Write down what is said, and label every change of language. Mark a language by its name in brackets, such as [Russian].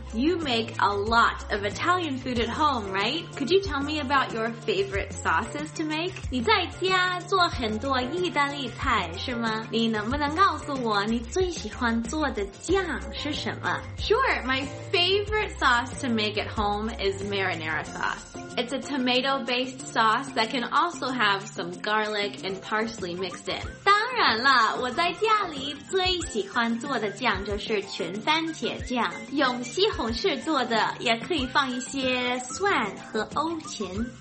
[English] You make a lot of Italian food at home, right? Could you tell me about your favorite sauces to make? [Chinese] 你在家做很多意大利菜是吗？你能不能告诉我你最喜欢做的酱是什么？ [English] Sure, my favorite sauce to make at home is marinara sauce. It's a tomato-based sauce that can also have some garlic and parsley mixed in. [Chinese] 当然了，我在家里最喜欢做的酱就是全番茄酱，用西红柿做的，也可以放一些蒜和欧芹。